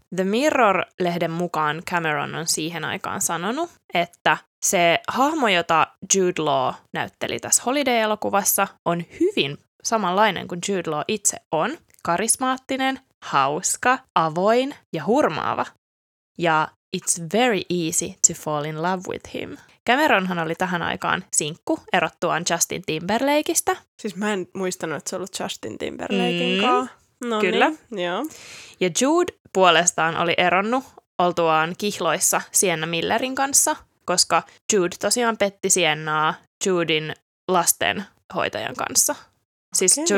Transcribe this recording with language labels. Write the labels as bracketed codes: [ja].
[fi] The Mirror-lehden mukaan Cameron on siihen aikaan sanonut, että se hahmo, jota Jude Law näytteli tässä Holiday-elokuvassa, on hyvin samanlainen kuin Jude Law itse on. Karismaattinen, hauska, avoin ja hurmaava. Ja [en] it's very easy to fall in love with him. [fi] Cameronhan oli tähän aikaan sinkku erottuaan Justin Timberlakeista. Siis mä en muistanut, että se ollut Justin Timberlakein kanssa. No kyllä. Niin, joo. Ja Jude puolestaan oli eronnut oltuaan kihloissa Sienna Millerin kanssa, koska Jude tosiaan petti Siennaa Judin lastenhoitajan kanssa. Siis okay.